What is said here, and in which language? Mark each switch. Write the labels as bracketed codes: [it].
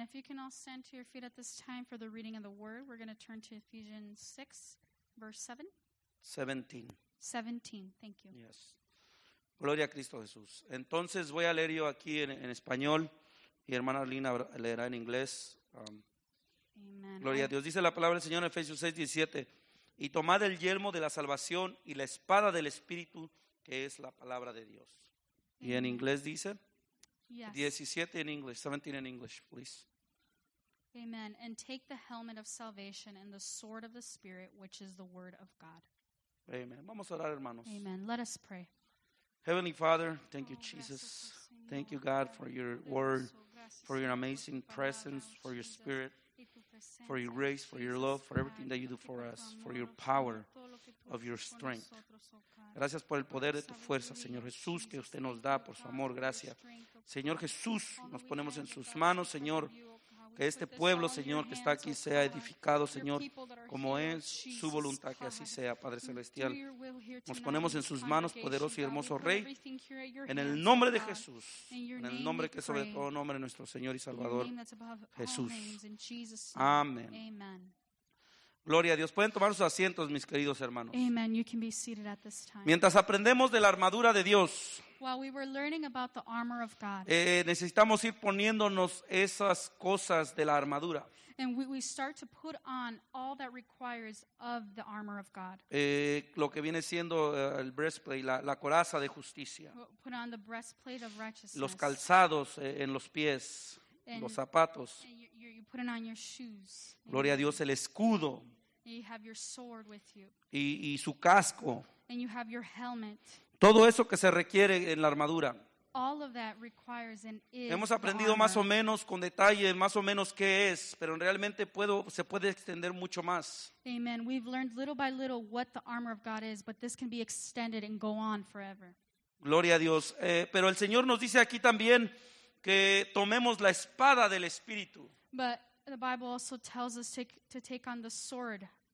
[en] If you can all stand to your feet at this time for the reading of the word, we're going to turn to Ephesians 6, verse 7. 17, thank you. [es] Yes. Gloria a Cristo Jesús. Entonces voy a leer yo aquí en español. Y hermana Lina leerá en inglés. Amen. Gloria a Dios. Dice la palabra del Señor en Efesios 6, 17. Y tomad el yelmo de la salvación y la espada del Espíritu, que es la palabra de Dios. Amen. Y en inglés dice. [en] Yes. [es] 17 en inglés. 17 en inglés, please. Amen. [en] And take the helmet of salvation and the sword of the Spirit, which is the word of God. [es] Amen. Vamos a orar, hermanos. [en] Amen. Let us pray. Heavenly Father, thank you, Jesus. Thank you, God, for your word, for your amazing presence, for your spirit, for your grace, for your love, for everything that you do for us, for your power of your strength. [es] Gracias por el poder de tu fuerza, Señor Jesús, que usted nos da, por su amor, gracia. Señor Jesús, nos ponemos en sus manos, Señor, que este pueblo, Señor, que está aquí sea edificado, Señor, como es su voluntad, que así sea, Padre Celestial. Nos ponemos en sus manos, poderoso y hermoso Rey, en el nombre de Jesús, en el nombre que sobre todo nombre nuestro Señor y Salvador, Jesús. Amén. Gloria a Dios. Pueden tomar sus asientos, mis queridos hermanos. Amen. [en] You can be seated at this time. [es] Mientras aprendemos de la armadura de Dios, [en] while we were learning about the armor of God, [es] necesitamos ir poniéndonos esas cosas de la armadura. [en] And we start to put on all that requires of the armor of God. [es] Lo que viene siendo el breastplate, la coraza de justicia. [en] Put on the breastplate of righteousness. [es] Los calzados en los pies. And los zapatos. [en] You put it on your shoes. [es] Gloria a Dios, el escudo. [en] You have your sword with you. [es] Y su casco. [en] And you have your helmet. [es] Todo eso que se requiere en la armadura. [en] All of that requires and is. [es] Hemos aprendido más o menos con detalle, más o menos qué es, pero realmente se puede extender mucho más. Amen. [en] We've learned little by little what the armor of God is, but this can be extended and go on forever. [es] Gloria a Dios. Pero el Señor nos dice aquí también que tomemos la espada del Espíritu. [en] But the Bible also tells us to take on the sword.